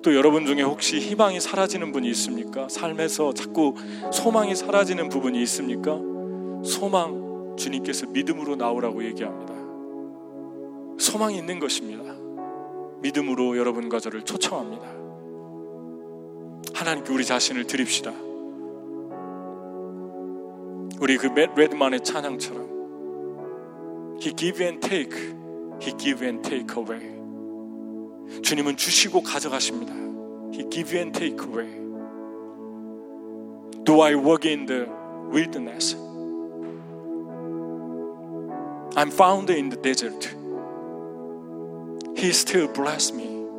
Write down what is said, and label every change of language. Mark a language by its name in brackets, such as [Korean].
[Korean] 또 여러분 중에 혹시 희망이 사라지는 분이 있습니까? 삶에서 자꾸 소망이 사라지는 부분이 있습니까? 소망, 주님께서 믿음으로 나오라고 얘기합니다. 소망이 있는 것입니다. 믿음으로 여러분과 저를 초청합니다. 하나님께 우리 자신을 드립시다. 우리 그 Matt Redman의 찬양처럼 [English] He give and take, He give and take away. [Korean] 주님은 주시고 가져가십니다. [English] He give you and take away. Do I walk in the wilderness? I'm found in the desert. He still bless me.